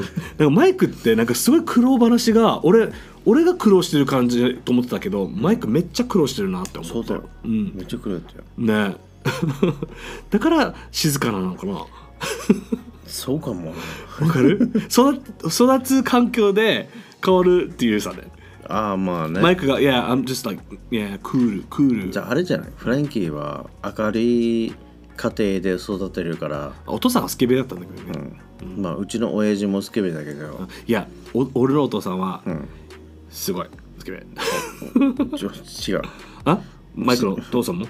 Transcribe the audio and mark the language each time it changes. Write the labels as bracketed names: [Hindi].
[Japanese] なんかマイクってなんかすごい苦労話が俺が苦労してる感じと思ってたけど、マイクめっちゃ苦労してるなって思った。そうだよ、うん、めっちゃ苦労だったよ、ね、だから静かなのかなそうかもわかる育つ環境で変わるっていうさね。ああまあね、マイクが [English] 「Yeah, I'm just like, yeah, cool, cool」 [Japanese] じゃああれじゃない、フランキーは明るい家庭で育てるから。お父さんはスケベだったんだけどね、うんうん、まあうちの親父もスケベだけど、いや俺のお父さんは、うん、すごいスケベ違うあマイクのお父さんも